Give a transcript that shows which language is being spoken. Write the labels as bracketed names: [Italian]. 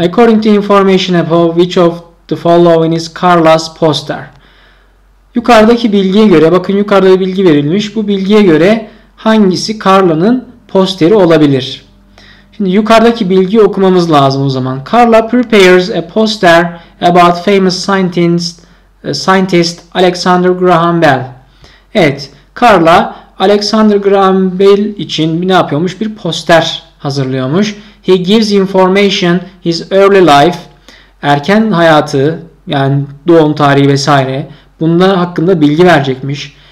[English] According to information above, which of the following is Carla's poster? [Turkish] Yukarıdaki bilgiye göre, bakın yukarıda bir bilgi verilmiş. Bu bilgiye göre hangisi Carla'nın posteri olabilir? Şimdi yukarıdaki bilgiyi okumamız lazım o zaman. [English] Carla prepares a poster about famous scientist Alexander Graham Bell. [Turkish] Evet, Carla Alexander Graham Bell için ne yapıyormuş? Bir poster hazırlıyormuş. [English] He gives information his early life, [Turkish] erken hayatı yani doğum tarihi vesaire. Bunda hakkında bilgi verecekmiş.